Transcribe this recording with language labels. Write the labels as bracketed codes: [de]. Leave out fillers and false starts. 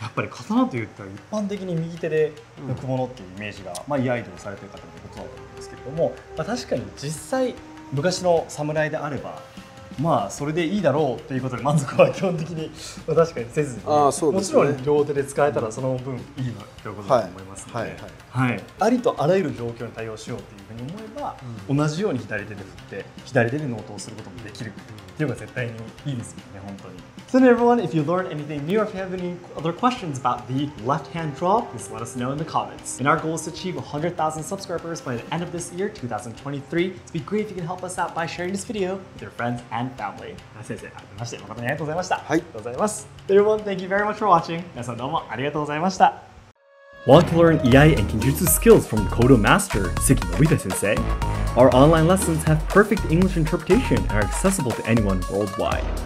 [ja] やっぱり刀と言ったら一般的に右手で抜くものっていうイメージが、まあ、イアイドをされている方のことだと思うんですけれども、まあ、確かに実際昔の侍であれば、まあそれでいいだろうということで満足は基本的に確かにせずに、ね、あそうですね、もちろん両手で使えたらその分いいわということだと思いますので、はいはいはい、ありとあらゆる状況に対応しようというふうに思えば、うん、同じように左手で振って左手で納刀することもできるというのが絶対にいいですよね、本当に。 [en] So everyone, if you learned anything new or if you have any other questions about the left hand draw, please let us know in the comments. And our goal is to achieve 100,000 subscribers by the end of this year, 2023. It'd be great if you can help us out by sharing this video with your friends and family. [ja] 先生、改めまして、誠にありがとうございました。はい。ありがとうございます。 [en] Everyone, thank you very much for watching. [ja] 皆さんどうもありがとうございました。 [en] Want to learn iai and kenjutsu skills from Kobudo master, Seki Sensei? Our online lessons have perfect English interpretation and are accessible to anyone worldwide.